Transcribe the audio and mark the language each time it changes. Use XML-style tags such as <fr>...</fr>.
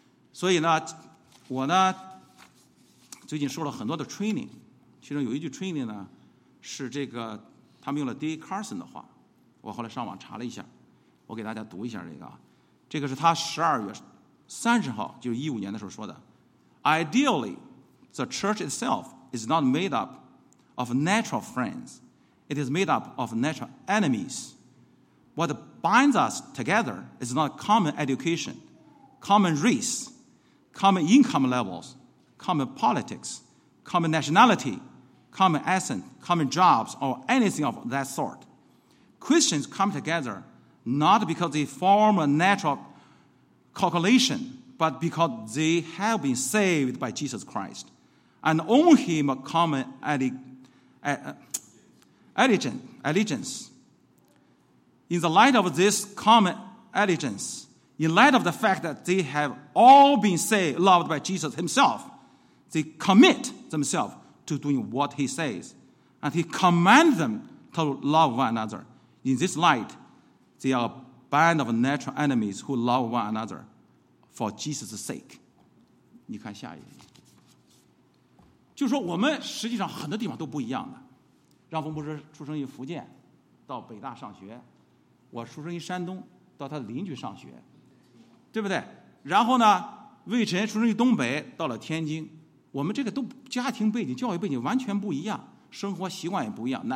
<zh>所以呢，我呢最近受了很多的 training， 其中有一句 training 呢是这个，他们用了 D. Carson 的话，我后来上网查了一下，我给大家读一下这个，这个是他12月30号，就是2015年的时候说的。</zh> <en>Ideally, the church itself is not made up of natural friends. It is made up of natural enemies. What binds us together is not common education, common race, common income levels, common politics, common nationality, common essence, common jobs, or anything of that sort. Christians come together not because they form a natural calculation, but because they have been saved by Jesus Christ and owe him a common allegiance. In the light of this common allegiance, in light of the fact that they have all been saved, loved by Jesus himself, they commit themselves to doing what he says, and he commands them to love one another. In this light, they are a band of natural enemies who love one another for Jesus' sake.</en> <zh>你看下一页，就是说我们实际上很多地方都不一样的。让峰不是出生于福建，到北大上学，我出生于山东，到他的邻居上学，对不对？然后呢，魏晨出生于东北，到了天津，我们这个都家庭背景、教育背景完全不一样，生活习惯也不一样。</zh>